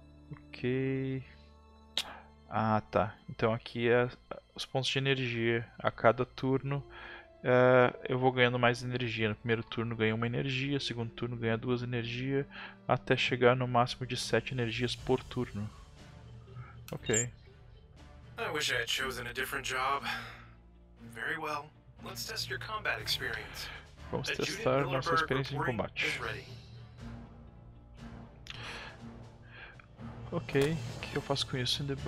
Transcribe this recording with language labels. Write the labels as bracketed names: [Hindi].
[Portuguese] Ok. Ah, tá. Então aqui é os pontos de energia. A cada turno eu vou ganhando mais energia. No primeiro turno ganho uma energia, segundo turno ganho duas energias, até chegar no máximo de 7 energias por turno. Ok. [English] I wish I had chosen a different job. Very well. Let's test your combat experience. [Portuguese] Vamos testar nossa experiência de combate. Ok, o que eu faço com isso?